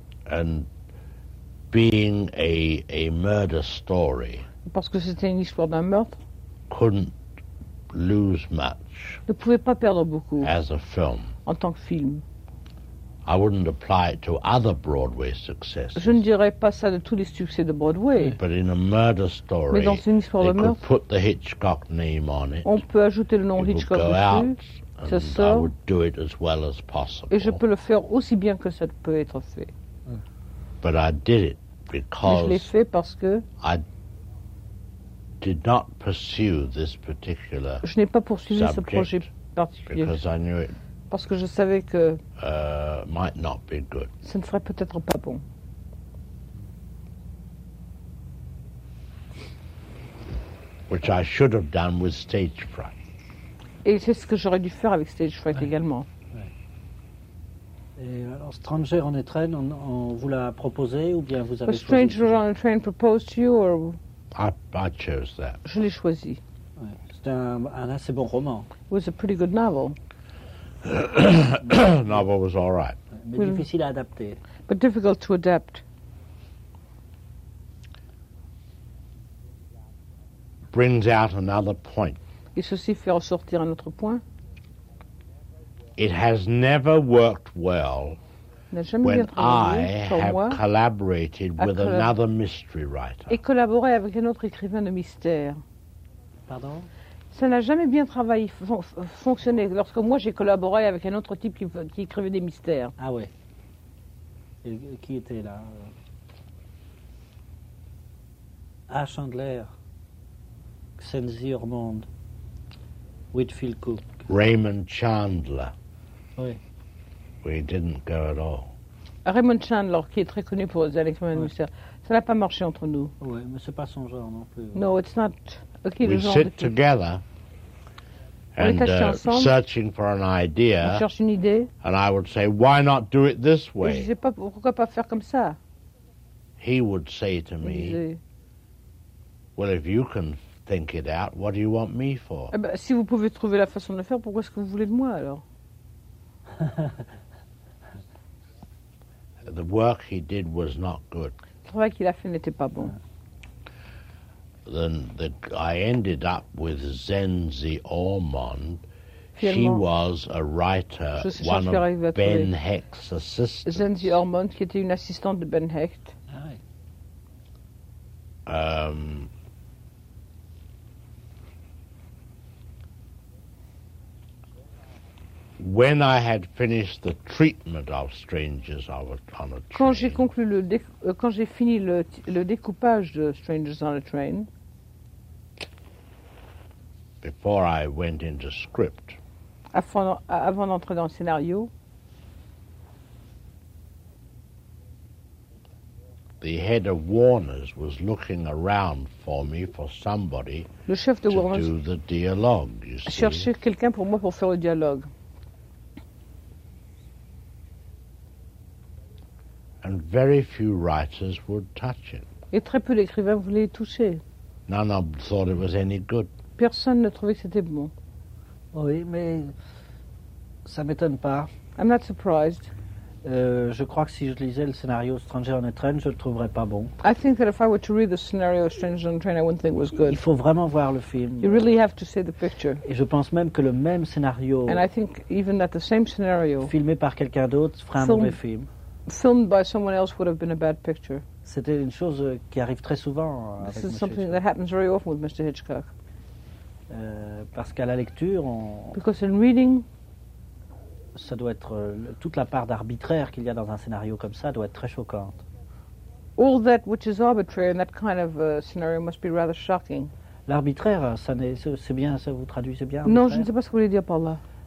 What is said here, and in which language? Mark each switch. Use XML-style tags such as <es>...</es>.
<en>And being a murder story.</en> <fr>Parce que c'était une histoire d'un meurtre.</fr> <en>Couldn't lose much.</en> <fr>Ne pouvait pas perdre beaucoup.</fr> <en>As a film.</en> <fr>En tant que film.</fr> <en>I wouldn't apply it to other Broadway successes.</en> <fr>Je ne dirais pas ça de tous les succès de Broadway.</fr> <en>But in a murder story,</en> <fr>mais dans une histoire de meurtre,</fr> <en>they could put the Hitchcock name on it.</en> <fr>On peut ajouter le nom Hitchcock dessus. C'est ça.</fr> <en>And I would do it as well as possible.</en> <fr>Et je peux le faire aussi bien que ça peut être fait.</fr> <en>But I did it because</en> <fr>mais je l'ai fait parce que</fr> <en>I did not pursue this particular</en> <fr>je n'ai pas poursuivi ce projet particulier.</fr> <en>Because I knew it</en> <fr>parce que je savais que</fr> <en>might not be good.</en> <fr>Ça ne serait peut-être pas bon.</fr> <en>Which I should have done with Stage Fright.</en> <fr>Et c'est ce que j'aurais dû faire avec Stage Fright ouais. également. Et alors, Stranger on a Train, on vous l'a proposé ou bien vous avez</fr> <en>a Stranger</en> <fr>choisi</fr> <en>Stranger on a Train proposed to you or I chose that.</en> <fr>Je l'ai choisi. Ouais. C'est un assez bon roman.</fr> <en>It was a pretty good novel. Novel was all right.</en> <fr>Mais well, difficile à adapter.</fr> <en>But difficult to adapt. Brings out another point.</en> <fr>Et ceci fait ressortir un autre point.</fr> <en>It has never worked well when I have</en> <fr>moi,</fr> <en>collaborated with another mystery writer.</en> <fr>Et collaborer avec un autre écrivain de mystère. Pardon? Ça n'a jamais bien travaillé, fonctionné lorsque moi j'ai collaboré avec un autre type qui écrivait des mystères. Ah ouais. Et qui était là?</fr> <en>A. Chandler, Xenzi Ormond, Whitfield Cook. Raymond Chandler.</en> <fr>Oui.</fr> <en>We didn't go at all.</en> <fr>Raymond Chandler, qui est très connu pour les Alexandre oui. Mystère, ça n'a pas marché entre nous. Oui, mais c'est pas son genre non plus.</fr> <en>No, it's not. Okay, we</en> <fr>le genre</fr> <en>sit</en> <fr>de</fr> <en>together</en> <fr>on</fr> <en>and searching for an idea.</en> <fr>On cherche une idée.</fr> <en>And I would say, why not do it this way?</en> <fr>Je sais pas pourquoi pas faire comme ça.</fr> <en>He would say to me, well, if you can think it out, what do you want me for?</en> <fr>Eh ben, si vous pouvez trouver la façon de le faire, pourquoi est-ce que vous voulez de moi alors?</fr> <en>The work he did was not good.</en> <fr>Le travail qu'il a fait n'était pas bon.</fr> <en>Then I ended up with Xenzi Ormond.</en> <fr>Finalement,</fr> <en>she was a writer, one of Ben Hecht's assistants.</en> <fr>Xenzi Ormond, qui était une assistante de Ben Hecht. Ah oui.</fr> <en>When I had finished the treatment of Strangers on a Train,</en> <fr>quand j'ai conclu le quand j'ai fini le découpage de Strangers on a Train,</fr> <en>before I went into script,</en> <fr>avant d'entrer dans le scénario,</fr> <en>the head of Warners was looking around for me for somebody</en> <fr>le chef de</fr> <en>to Warner's do the dialogue. You see,</en> <fr>chercher quelqu'un pour moi pour faire le dialogue.</fr> <en>And very few writers would touch it.</en> <fr>Et très peu d'écrivains voulaient y toucher.</fr> <en>None of them thought it was any good.</en> <fr>Personne ne trouvait que c'était bon. Oui, mais ça m'étonne pas.</fr> <en>I'm not surprised.</en> <fr>Je crois que si je lisais le scénario Stranger on a Train, je le trouverais pas bon.</fr> <en>I think that if I were to read the scenario Stranger on a Train, I wouldn't think it was good.</en> <fr>Il faut vraiment voir le film.</fr> <en>You really have to see the picture.</en> <fr>Et je pense même que le même scénario,</fr> <en>and I think even that the same scenario,</en> <fr>filmé par quelqu'un d'autre, ferait un mauvais film.</fr> <en>Filmed by someone else would have been a bad picture.</en> <fr>C'était une chose qui arrive très souvent.</fr> <en>This</en> <fr>avec</fr> <en>is something that happens very often with Mr. Hitchcock.</en> <fr>Parce qu'à la lecture, on</fr> <en>because in reading,</en> <fr>ça doit être toute la part d'arbitraire qu'il y a dans un scénario comme ça doit être très choquante.</fr> <en>All that which is arbitrary in that kind of scenario must be rather shocking.</en> <fr>L'arbitraire, ça c'est bien, ça vous traduisez bien. Non, je ne sais pas ce que vous voulez dire par là.</fr>